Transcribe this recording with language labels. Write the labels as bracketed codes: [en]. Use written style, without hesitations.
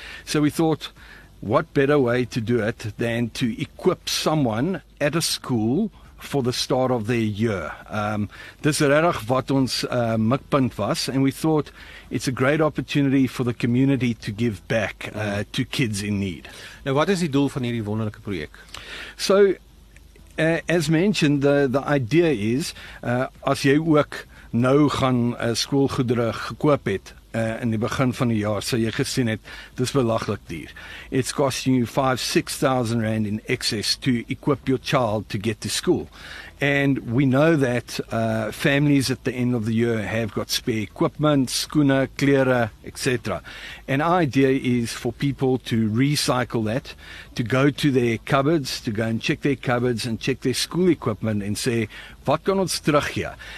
[en] So we thought, what better way to do it than to equip someone at a school for the start of their year. [af] Dis regtig wat ons mikpunt was, [en] and we thought it's a great opportunity for the community to give back to kids in need. [af] Nou, wat is die doel van hierdie wonderlike projek? [en] So, as mentioned, the idea is, [af] as jy ook nou gaan skoolgoedere gekoop het, in die begin van die jaar, so jy gesien het, dis belaglik duur. [en] It's costing you 5,000-6,000 rand in excess to equip your child to get to school. And we know that families at the end of the year have got spare equipment, [af] skoene, klere, [en] etc. And our idea is for people to recycle that, to go to their cupboards, to go and check their cupboards and check their school equipment and say, [af] wat kan ons terug hier?